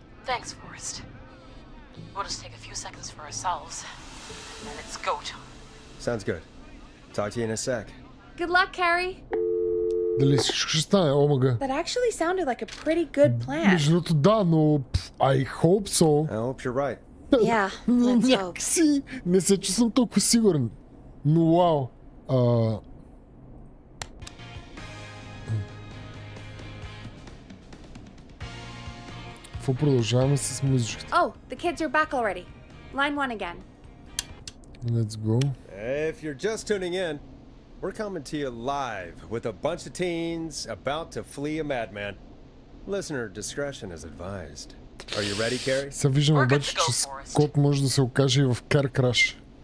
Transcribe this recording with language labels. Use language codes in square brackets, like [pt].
[en] Thanks, Forrest. We'll just take a few seconds for ourselves. And then it's go time. Sounds good. Talk to you in a sec. Good luck, Carrie. [bg] Дали ще стане, омага. [en] That actually sounded like a pretty good plan. [bg] Между другото, да, но [en] I hope so. I hope you're right. Yeah, let's hope. [bg] Си, не се чувствам толкова сигурен. Но вау. Какво продължаваме с музичката? [en] Oh, the kids are back already. Line one again. Let's go. If you're just tuning in, we're coming to you live with a bunch of teens about to flee a madman. Listener discretion is advised. Are you ready, Carrie? [bg] Се виждам обаче, че Скот може да се окаже и в [en] car crash.